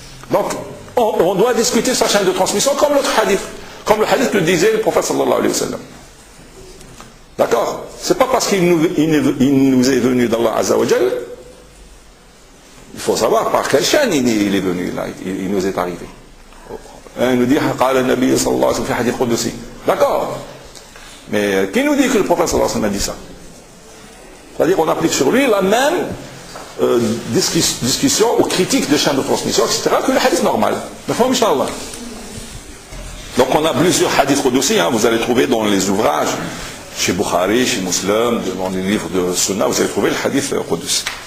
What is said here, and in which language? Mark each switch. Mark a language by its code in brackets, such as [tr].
[fr] Donc, on doit discuter sa chaîne de transmission comme l'autre hadith. Comme le hadith le disait le prophète sallallahu alayhi wa sallam. D'accord? C'est pas parce qu'il nous est venu d'Allah Azza wa Jal. Il faut savoir par quelle chaîne il est venu, là, il nous est arrivé. Il nous dit, [ar] قال النبي صلى الله عليه وسلم في حديث قدسي. [fr] D'accord? Mais qui nous dit que le prophète sallallahu alayhi wa sallam a dit ça? C'est-à-dire qu'on applique sur lui la même discussion ou critique de chaîne de transmission, etc., que le hadith normal. D'accord, Inch'Allah? Donc on a plusieurs hadiths qudusi, hein, vous allez trouver dans les ouvrages, chez Bukhari, chez Muslim, dans les livres de Sunna, vous allez trouver le hadith qudusi.